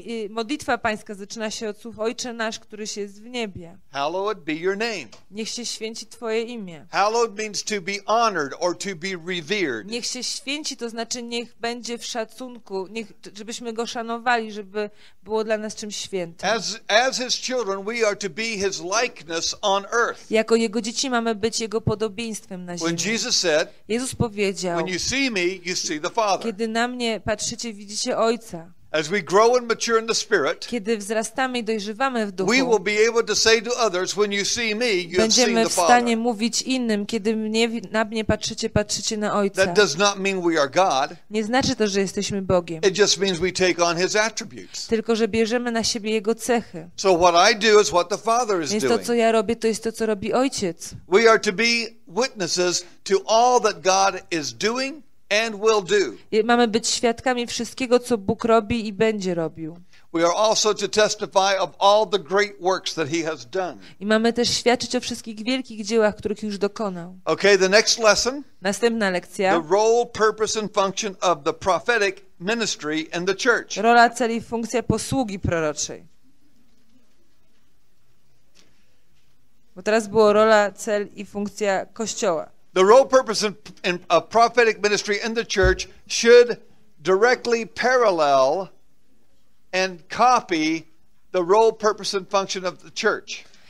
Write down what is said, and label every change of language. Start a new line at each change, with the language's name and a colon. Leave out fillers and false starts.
Polish: Modlitwa pańska zaczyna się od słów Ojcze nasz, który jest w niebie.
English: Hallowed be your name.
Polish: Niech się święci Twoje imię.
English: Hallowed means to be honored or to be revered.
Polish: Niech się święci, to znaczy niech będzie w szacunku, niech, żebyśmy go szanowali, żeby było dla nas czymś świętym.
English: As his children, we are to be his likeness on earth.
Polish: Jako jego dzieci mamy być jego podobieństwem na ziemi.
English: When Jesus said,
Polish: Jezus powiedział,
English: when you see me, you see the Father.
Polish: Kiedy na mnie patrzycie, widzicie Ojca.
English: As we grow and mature in the Spirit,
Polish: kiedy wzrastamy i dojrzewamy w duchu,
English: we will be able to say to others, when you see me, you have seen the Father.
Polish: Będziemy w stanie mówić innym, kiedy na mnie patrzycie, patrzycie na Ojca.
English: That does not mean we are God.
Polish: Nie znaczy to, że jesteśmy Bogiem.
English: It just means we take on His attributes.
Polish: Tylko że bierzemy na siebie jego cechy.
English: So what I do is what the Father is doing.
Polish: To co ja robię, to jest to, co robi Ojciec.
English: We are to be witnesses to all that God is doing. And will do.
Polish: Mamy być świadkami wszystkiego, co Bóg robi i będzie robił.
English: We are also to testify of all the great works that he has done.
Polish: I mamy też świadczyć o wszystkich wielkich dziełach, których już dokonał.
English: Okay, the next lesson.
Polish: Następna lekcja.
English: The role, purpose and function of the prophetic ministry in the church.
Polish: Rola, cel i funkcja posługi proroczej. Bo teraz było rola, cel i funkcja kościoła.
English: The role, purpose and of prophetic ministry in the church should directly parallel and copy the role, purpose and function of the church.